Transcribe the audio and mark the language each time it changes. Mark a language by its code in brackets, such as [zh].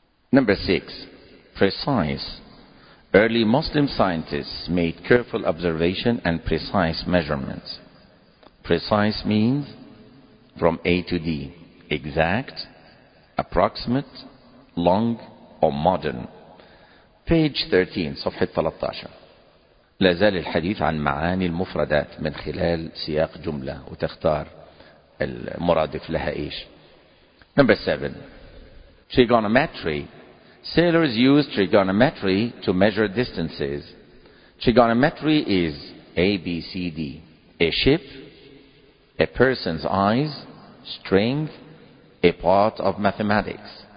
[en] Number 6, precise. Early Muslim scientists made careful observation and precise measurements. Precise means from A to D, exact, approximate, long, or modern. Page 13, صفحة 13. [ar] لا زال الحديث عن معاني المفردات من خلال سياق جملة وتختار المرادف لها إيش. [en] Number 7, trigonometry. Sailors use trigonometry to measure distances. Trigonometry is A, B, C, D. A ship, a person's eyes, string, a part of mathematics.